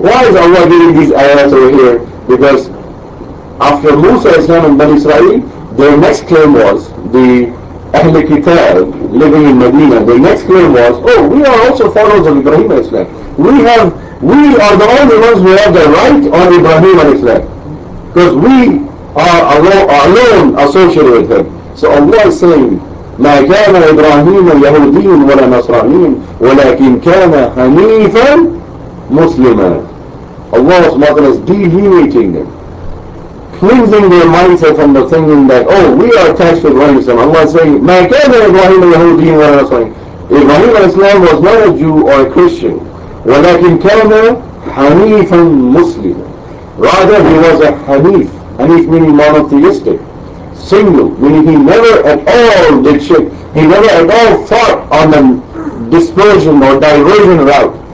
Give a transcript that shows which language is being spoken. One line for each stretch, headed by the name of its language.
English: Why is Allah giving these ayahs over here? Because after Musa Islam and Bani Israel, their next claim was the Ahl al-Kitab living in Medina. Their next claim was, oh, we are also followers of Ibrahim al-Islam. We are the only ones who have the right on Ibrahim al-Islam. Because we are alone associated with him. So Allah is saying,
Arabic: مَا كَانَ إِبْرَاهِيمَ يَهُودِينَ وَلَا نَصْرَانِينَ وَلَكِنْ كَانَ حَنِيفًا مُسْلِمًا.
English: Allah is deviating them, cleansing their mindset from the thinking that, oh, we are attached to Ibrahim Islam. Allah is saying,
Arabic: مَا كَانَ إِبْرَاهِيمَ يَهُودِينَ وَلَا نَصْرَانِينَ.
English: Ibrahim Islam was not a Jew or a Christian.
Arabic: وَلَكِنْ كَانَ حَنِيفًا مُسْلِمًا.
English: Rather, he was a Hanif. Hanif meaning monotheistic. Single, meaning he never at all did shirk. He never at all thought on the dispersion or diversion route.